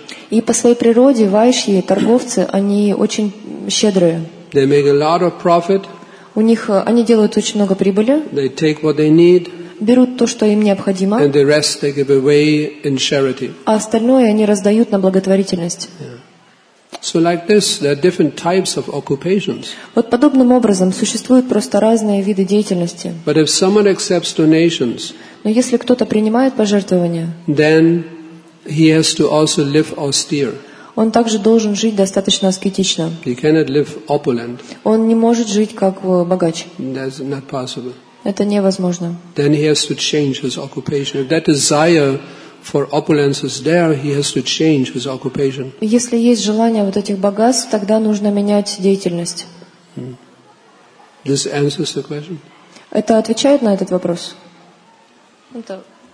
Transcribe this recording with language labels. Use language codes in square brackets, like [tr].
[ru] И по своей природе вайшьи, торговцы, они очень щедрые. [en] They make a lot of profit. [ru] У них, они делают очень много прибыли. [en] They take what they need. [ru] Берут то, что им необходимо, [en] and the rest they give away in charity. [ru] А остальное они раздают на благотворительность. [en] Yeah. So like this, there are different types of occupations. [ru] Вот подобным образом существуют просто разные виды деятельности. [en] But if someone accepts donations, [ru] но если кто-то принимает пожертвования, [en] then he has to also live austere. [ru] Он также должен жить достаточно аскетично. [en] He cannot live opulent. [ru] Он не может жить как богач. [en] That's not possible. [ru] Это невозможно. [en] Then he has to change his occupation. If that desire for opulence is there, he has to change his occupation. [ru] Если есть желание вот этих богатств, тогда нужно менять деятельность. [en] This answers the question. [ru] Это отвечает на этот вопрос. Это.